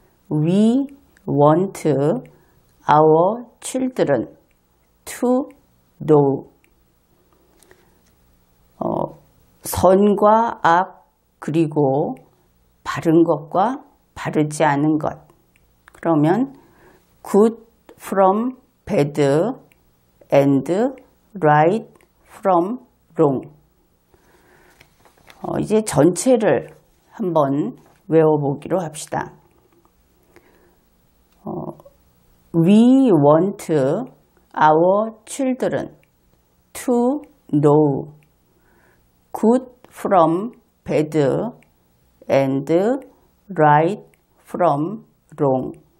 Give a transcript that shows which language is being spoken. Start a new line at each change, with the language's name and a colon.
English: We want our children to know.
Korean: 선과 악 그리고 바른 것과 바르지 않은 것. 그러면
English: good from bad and right from wrong.
Korean: 이제 전체를 한번 외워보기로 합시다.
English: We want our children to know good from bad and right from wrong.